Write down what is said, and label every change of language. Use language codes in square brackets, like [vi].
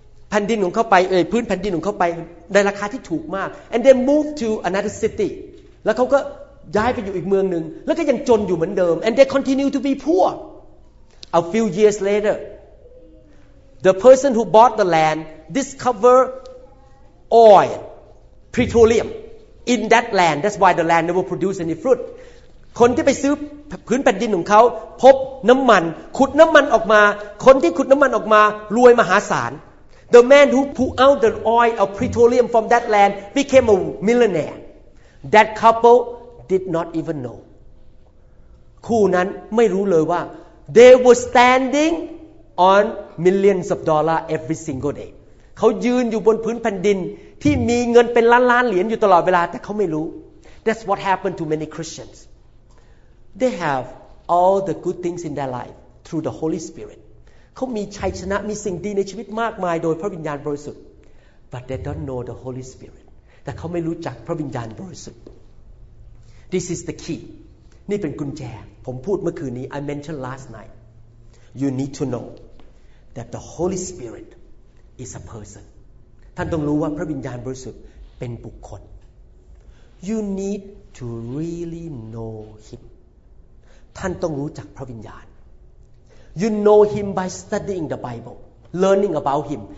[th] แผ่นดินของเขาไปพื้นแผ่นดินของเขาไปในราคาที่ถูกมาก [en] and they moved to another city [th] แล้วเขาก็ย้ายไปอยู่อีกเมืองนึงแล้วก็ยังจนอยู่เหมือนเดิม [en] and they continue to be poor a few years later the person who bought the land discovered oil petroleumIn that land, that's why the land never produced any fruit. [th] คนที่ไปซื้อพื้นแผ่นดินของเขาพบน้ำมันขุดน้ำมันออกมาคนที่ขุดน้ำมันออกมารวยมหาศาล [en] The man who pulled out the oil of petroleum from that land became a millionaire. That couple did not even know. [th] คู่นั้นไม่รู้เลยว่า [en] they were standing on millions of dollars every single day. [th] เขายืนอยู่บนพื้นแผ่นดินที่มีเงินเป็นล้านล้านเหรียญอยู่ตลอดเวลาแต่เขาไม่รู้ [en] That's what happened to many Christians. They have all the good things in their life through the Holy Spirit. [th] ขามีชัยชนะมีสิ่งดีในชีวิตมากมายโดยพระวิญญาณบริสุทธิ์ [en] but they don't know the Holy Spirit [th] แต่เขาไม่รู้จักพระวิญญาณบริสุทธิ์ [en] this is the key [th] นี่เป็นกุญแจผมพูดเมื่อคืนนี้ [en] I mentioned last night you need to know that the Holy Spirit is a person [th] ท่านต้องรู้ว่าพระวิญญาณบริสุทธิ์เป็นบุคคล [en] you need to really know him [th] ท่านต้องรู้จักพระวิญญาณ [en] You know him by studying the Bible, learning about him.